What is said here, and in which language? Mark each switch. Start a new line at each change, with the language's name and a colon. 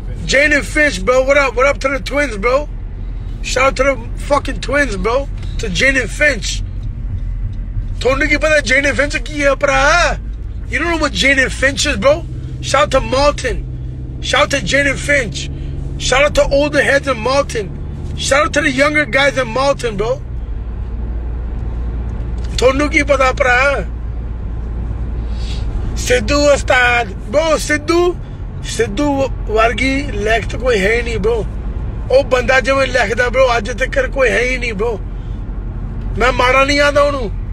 English: Jane and Finch, bro. What up to the twins, bro? Shout out to the fucking twins, bro. To Jane and Finch.
Punjabi: ਥੋਨੂ ਕੀ ਪਤਾ Jane and Finch ਕੀ ਹੈ, bro?
English: You don't know what Jane and Finch is, bro? Shout out to Martin. Shout out to Jane and Finch. Shout out to older heads and Martin. Shout out to the younger guys and Martin, bro.
Punjabi: ਥੋਨੂ ਕੀ ਪਤਾ ਪ੍ਰਾ. ਸਿੱਧੂ ਉਸਤਾਦ. Bro, Sidhu ਵਰਗੀ ਲਿਖ ਤਾ ਕੋਈ ਹੈ ਨਹੀ, bro. ਓਹ, ਬੰਦਾ ਜੋ ਮੈਂ ਲਿਖਦਾ, ਬ੍ਰੋ. ਅੱਜ ਤੱਕ ਕੋਈ ਹੈ ਨਹੀਂ, ਬ੍ਰੋ. ਮੈਂ ਮਾੜਾ ਨਹੀਂ ਆਂਦਾ ਉਹਨੂੰ.